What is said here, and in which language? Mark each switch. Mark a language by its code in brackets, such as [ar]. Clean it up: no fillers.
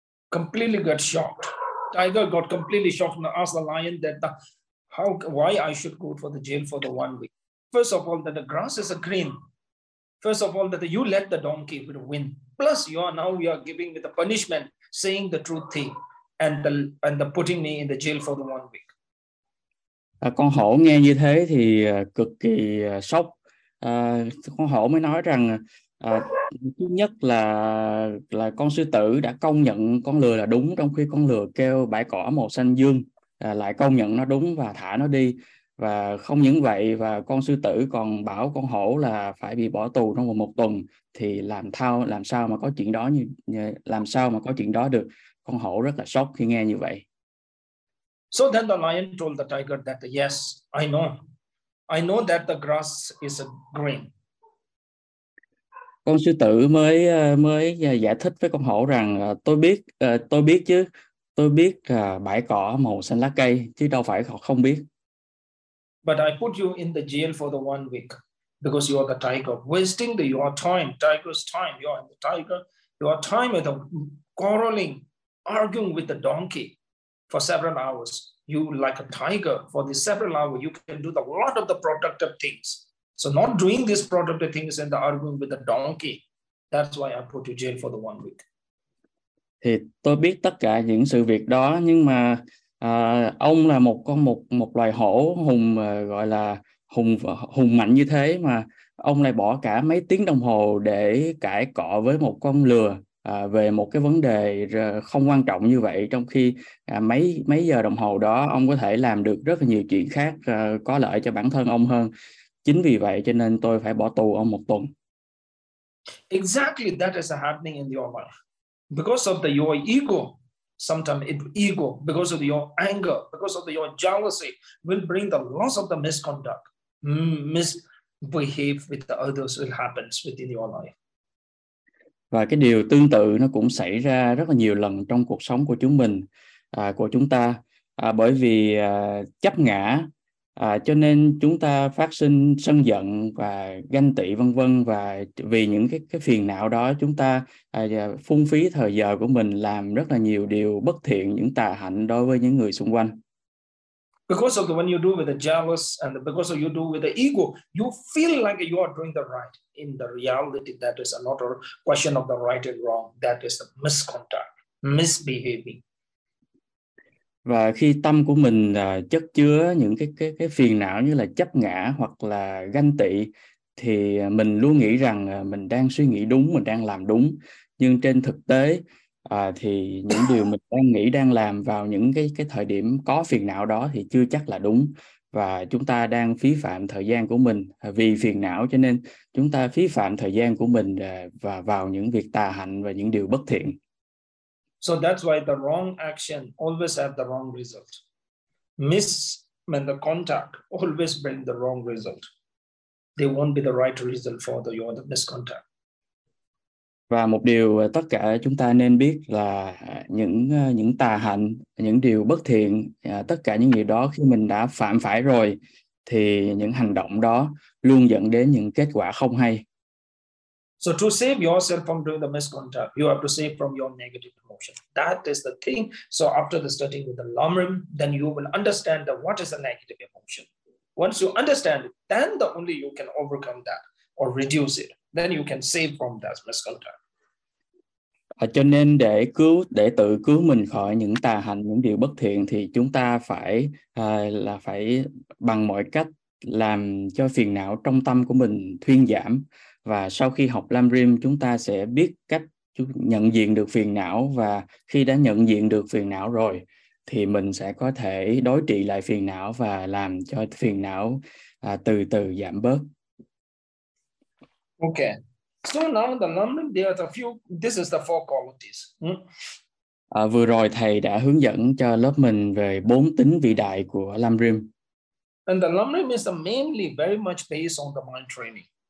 [en] Completely got shocked. Tiger got completely shocked and asked the lion that the, how why I should go for the jail for the 1 week. First of all, that the grass is a green. First of all, that the, you let the donkey win. Plus, you are now we are giving me the punishment, saying the truth thing, and the putting me in the jail for the 1 week. [vi] Con hổ nghe như thế thì cực kỳ sốc. Con hổ mới nói rằng thứ nhất là con sư tử đã công nhận con lừa là đúng trong khi con lừa kêu bãi cỏ màu xanh dương lại công nhận nó đúng và thả nó đi. Và không những vậy và con sư tử còn bảo con hổ là phải bị bỏ tù trong vòng 1 tuần thì làm sao mà có chuyện đó làm sao mà có chuyện đó được. Con hổ rất là sốc khi nghe như vậy. [en] So then the lion told the tiger that yes, I know that the grass is green. [vi] Con sư tử mới mới giải thích với con hổ rằng tôi biết chứ, tôi biết bãi cỏ màu xanh lá cây chứ đâu phải họ không biết. [en] But I put you in the jail for the 1 week because you are the tiger, wasting your time, tiger's time. You are the tiger. Your time with the quarreling, arguing with the donkey. For several hours, you like a tiger. For the several hours, you can do the lot of the productive things. So, not doing these productive things and the arguing with the donkey. That's why I put you jail for the 1 week. [vi] Thì tôi biết tất cả những sự việc đó nhưng mà ông là một con một một loài hổ hùng gọi là hùng hùng mạnh như thế mà ông lại bỏ cả mấy tiếng đồng hồ để cãi cọ với một con lừa về một cái vấn đề không quan trọng như vậy trong khi mấy mấy giờ đồng hồ đó ông có thể làm được rất là nhiều chuyện khác có lợi cho bản thân ông hơn. Chính vì vậy cho nên tôi phải bỏ tù ông 1 tuần. [en] Exactly that is happening in your life. Because of your ego, sometimes ego, because of your anger, because of your jealousy, will bring the loss of the misconduct, misbehave with the others will happen within your life. [vi] Và cái điều tương tự nó cũng xảy ra rất là nhiều lần trong cuộc sống của chúng mình, của chúng ta. Bởi vì chấp ngã, cho nên chúng ta phát sinh sân giận và ganh tị vân vân. Và vì những cái phiền não đó chúng ta phung phí thời giờ của mình làm rất là nhiều điều bất thiện, những tà hạnh đối với những người xung quanh. [en] Because of the one you do with the jealous and because of you do with the ego, you feel like you are doing the right. In the reality, that is another question of the right and wrong. That is the misconduct, misbehaving. [vi] Và khi tâm của mình chất chứa những cái phiền não như là chấp ngã hoặc là ganh tị thì mình luôn nghĩ rằng mình đang suy nghĩ đúng, mình đang làm đúng. Nhưng trên thực tế thì những điều mình đang nghĩ, đang làm vào những cái thời điểm có phiền não đó thì chưa chắc là đúng. Và chúng ta đang phí phạm thời gian của mình vì phiền não cho nên chúng ta phí phạm thời gian của mình và vào những việc tà hạnh và những điều bất thiện. [en] So that's why the wrong action always have the wrong result. Miss when the contact always bring the wrong result. They won't be the right result for the your miscontact. [vi] Và một điều tất cả chúng ta nên biết là những tà hạnh, những điều bất thiện, tất cả những điều đó khi mình đã phạm phải rồi thì những hành động đó luôn dẫn đến những kết quả không hay. [en] So to save yourself from doing the misconduct, you have to save from your negative emotion. That is the thing. So after the studying with the Lamrim, then you will understand that what is a negative emotion. Once you understand it, then the only you can overcome that or reduce it. Then you can save from that misconduct. [vi] Cho nên để tự cứu mình khỏi những tà hạnh, những điều bất thiện thì chúng ta phải là phải bằng mọi cách làm cho phiền não trong tâm của mình thuyên giảm. Và sau khi học Lam Rim chúng ta sẽ biết cách nhận diện được phiền não, và khi đã nhận diện được phiền não rồi thì mình sẽ có thể đối trị lại phiền não và làm cho phiền não từ từ giảm bớt. [en] Okay. So now the number, there are a few, this is the four qualities. [vi] Vừa rồi thầy đã hướng dẫn cho lớp mình về bốn tính vĩ đại của Lam Rim. [en] And the Lam Rim is mainly very much based on the mind training.